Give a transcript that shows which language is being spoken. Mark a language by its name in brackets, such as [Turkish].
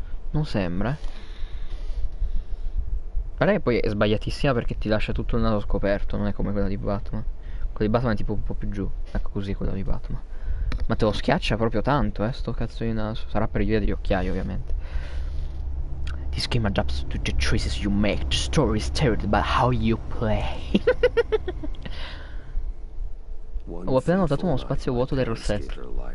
[Italian] Non sembra, eh. Però poi è sbagliatissima perché ti lascia tutto il naso scoperto, non è come quella di Batman. Quella di Batman è tipo un po' più giù. Ecco così quella di Batman. Ma te lo schiaccia proprio tanto, sto cazzo di naso. Sarà per via degli occhiai, ovviamente. [English] This game adapts to the choices you make. The story is tailored by how you play. [Italian] Ho appena notato uno spazio vuoto del rossetto.